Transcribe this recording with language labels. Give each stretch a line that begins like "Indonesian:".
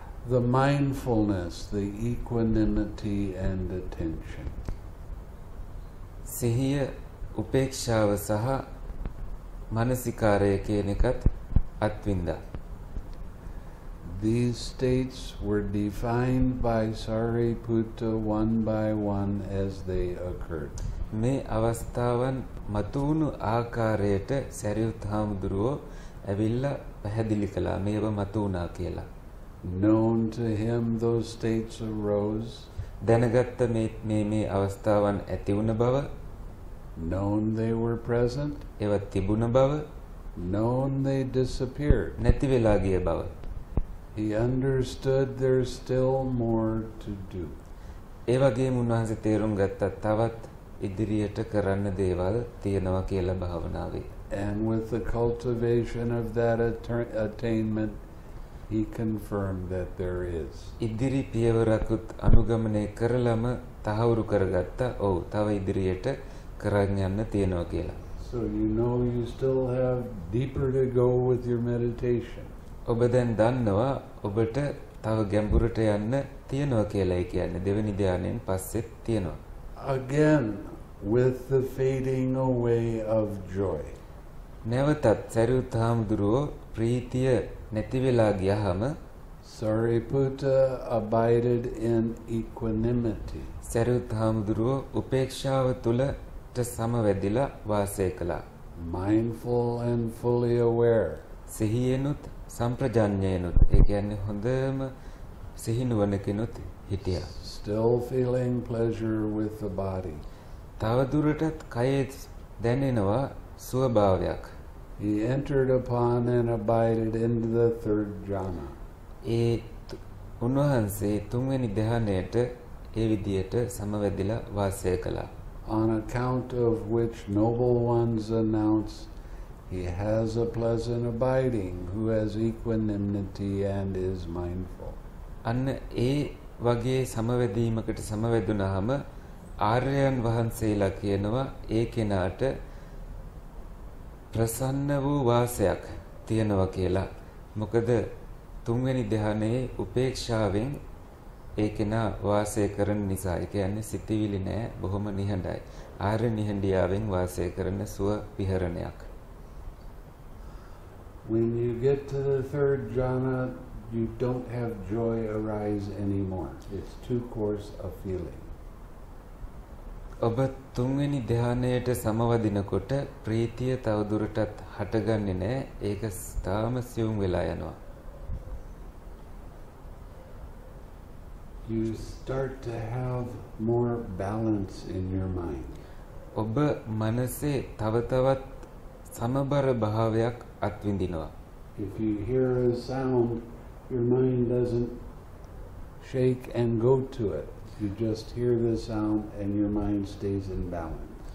English: The mindfulness, the equanimity and attention.
Sinhala: සිහිය උපේක්ෂාව සහ මානසිකාරය කියන එකත් අත්විඳා.
English: These states were defined by Sariputta one by one as they occurred.
Sinhala: මේ අවස්ථාවන් මතුණු ආකාරයට සරියුත් හාමුදුරුවෝ ඇවිල්ලා පැහැදිලි කළා මේවා මතුණා කියලා.
English: Known to him, those states arose.
Sinhala: දැනගත්තු මේ අවස්ථාවන් ඇති වුණ බව.
English: Known they were present.
Sinhala: ඒවා තිබුණ බව.
English: Known they disappeared.
Sinhala: නැති වෙලා ගිය බව.
English: He understood there's still more to do.
Sinhala: ඒ වගේම උන්වහන්සේ තේරුම් ගත්තා තවත් ඉදිරියට කරන්න දේවල් තියෙනවා කියලා භාවනාවේ.
English: And with the cultivation of that attainment. He confirmed that there is.
Sinhala: ඉදිරි පියවරකුත් අනුගමනය කරලම තහවුරු කරගත්තා. ඔව්, තව ඉදිරියට කරගෙන යන්න තියෙනවා කියලා.
English: So you know you still have deeper to go with your meditation.
Sinhala: ඔබ දැන් දන්නවා ඔබට තව ගැඹුරට යන්න තියෙනවා කියලා. ඒ කියන්නේ දෙවනි ධ්‍යානෙන් පස්සෙත් තියෙනවා.
English: Again with the fading away of joy.
Sinhala: නැවතත් සරියුත් හාමුදුරුවෝ ප්‍රීතිය නැති වෙලා ගියහම
English: Sariputta abided in equanimity.
Sinhala: Sariyut හාමුදුරුව උපේක්ෂාව තුලට සමවැදිලා වාසය කළා.
English: Mindful and fully aware.
Sinhala: සිහියනුත් සම්ප්‍රජඤ්ඤයනුත් ඒ කියන්නේ හොඳම සිහිනුවණකිනුත් හිටියා.
English: Still feeling pleasure with the body.
Sinhala: තවදුරටත් කයේ දැනෙනවා ස්වභාවයක්.
English: He entered upon and abided into the third jhana.
Sinhala: ඒ උන්වහන්සේ තුන්වෙනි ධ්‍යානයට ඒ විදියට සමවැදිලා වාසය කළා.
English: On account of which noble ones announce he has a pleasant abiding who has equanimity and is mindful.
Sinhala: අන්න ඒ වගේ සමවැදීමකට සමවැදුනහම ආර්යයන් වහන්සේලා කියනවා ඒ කෙනාට ප්‍රසන්න වූ වාසයක් තියෙනවා කියලා. මොකද තුන්වෙනි ධ්‍යානයේ උපේක්ෂාවෙන් ඒකෙනා වාසය කරන නිසා ඒ කියන්නේ සිතිවිලි නැහැ බොහොම නිහඬයි ආර්ය නිහඬියාවෙන් වාසය කරන සුව විහරණයක්
English: When you get to the third jhana you don't have joy arise anymore it's too coarse a feeling
Sinhala: ඔබ තුන්වෙනි ධ්‍යානයට සමවදිනකොට ප්‍රීතිය තවදුරටත් හටගන්නේ නැහැ ඒක ස්ථාවම සිවුම් වෙලා යනවා
English: You start to have more balance in your mind.
Sinhala: ඔබ මනසේ තව තවත් සමබර භාවයක් අත්විඳිනවා.
English: If you hear a sound, your mind doesn't shake and go to it. You just hear the sound and your mind stays in balance.